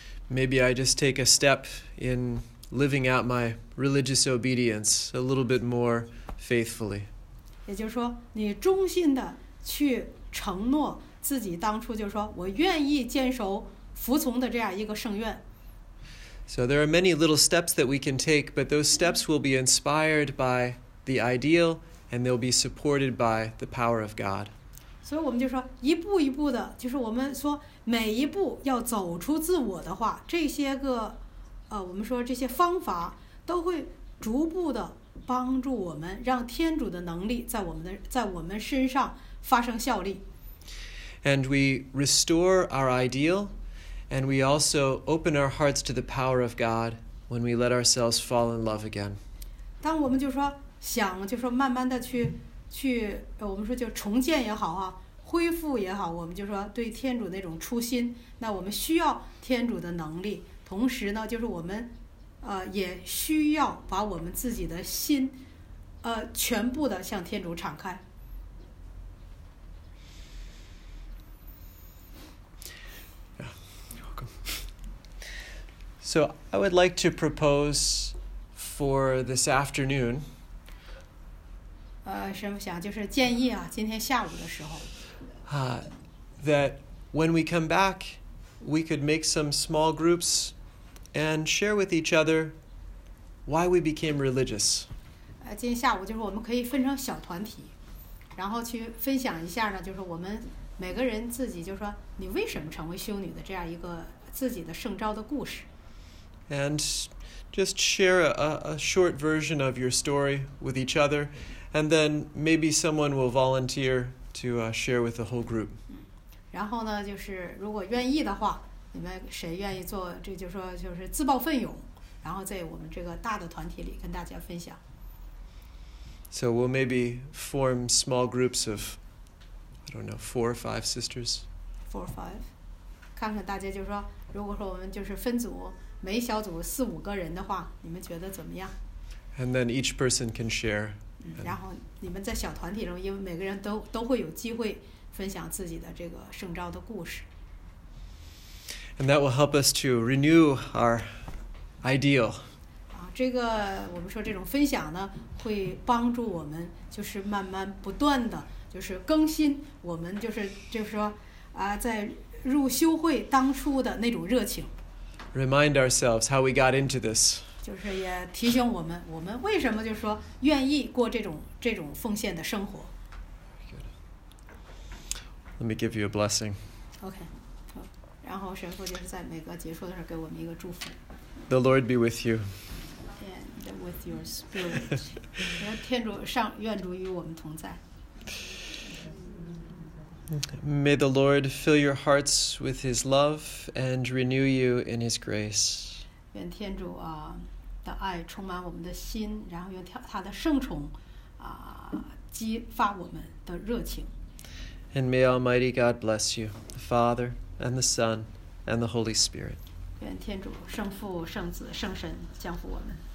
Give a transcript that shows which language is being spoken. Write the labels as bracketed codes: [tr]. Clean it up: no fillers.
[en] maybe I just take a step in living out my religious obedience a little bit more faithfully. [zh] 也就是说，你忠心的去承诺自己当初就是说我愿意坚守服从的这样一个圣愿。 [en] So there are many little steps that we can take, but those steps will be inspired by the ideal and they'll be supported by the power of God. [zh] 所以我们就说一步一步的，就是我们说每一步要走出自我的话，这些个我们说这些方法都会逐步的帮助我们，让天主的能力在我们身上发生效力。 [en] And we restore our ideal, and we also open our hearts to the power of God when we let ourselves fall in love again. [zh] 当我们就说想就说慢慢的去我们说就重建也好啊，恢复也好，我们就说对天主那种初心，那我们需要天主的能力，同时呢就是我们也需要把我们自己的心全部的向天主敞开。 [en] Yeah, you're welcome. So I would like to propose for this afternoon that when we come back, we could make some small groups and share with each other why we became religious. [zh] 今天下午就是我们可以分成小团体，然后去分享一下呢，就是我们每个人自己就是说你为什么成为修女的这样一个自己的圣召的故事。 [en] And just share a short version of your story with each other. And then maybe someone will volunteer to share with the whole group. [zh] 然后呢，就是如果愿意的话，你们谁愿意做，这就说就是自报奋勇，然后在我们这个大的团体里跟大家分享。 [en] So we'll maybe form small groups of, I don't know, 4 or 5 sisters. 4 or 5. [zh] 看看大家就说，如果说我们就是分组，每小组四五个人的话，你们觉得怎么样？ [en] And then each person can share. [zh] 然后你们在小团体中，因为每个人都会有机会分享自己的这个圣召的故事。 [en] And that will help us to renew our ideal. [zh] 这个我们说这种分享呢，会帮助我们就是慢慢不断的就是更新我们就是说在入修会当初的那种热情。 [en] Remind ourselves how we got into this. [zh] 就是也提醒我们，我们为什么就是说愿意过这种奉献的生活。 [en] Let me give you a blessing. Okay. [zh] 然后神父就是在每个结束的时候给我们一个祝福。 [en] The Lord be with you. And with your spirit. [zh] 愿天主上愿主与我们同在。 [en] May the Lord fill your hearts with His love and renew you in His grace. [zh] 愿天主的爱充满我们的心，然后用他的圣宠激发我们的热情。 [en] And may Almighty God bless you, the Father and the Son and the Holy Spirit. [zh] 愿天主圣父、圣子、圣神降福我们。